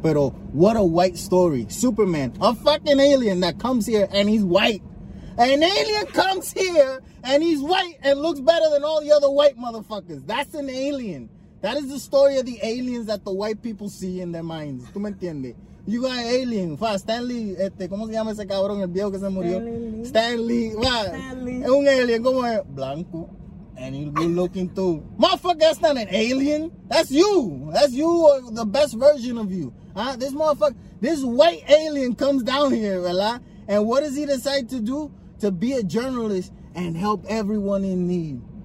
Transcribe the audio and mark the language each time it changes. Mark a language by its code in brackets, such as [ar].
[en] But what a white story. Superman, a fucking alien that comes here and he's white. An alien comes here and he's white and looks better than all the other white motherfuckers. That's an alien. That is the story of the aliens that the white people see in their minds. [es] ¿Tú me entiendes? [en] You got an alien. [es] Stanley, ¿cómo se llama ese cabrón? El viejo que se murió. Stanley. Un alien. ¿Cómo es? Blanco. [en] And he's good looking too. Motherfucker, that's not an alien. That's you. That's you, or the best version of you. Huh? This motherfucker, this white alien comes down here, ¿verdad? And what does he decide to do? To be a journalist and help everyone in need.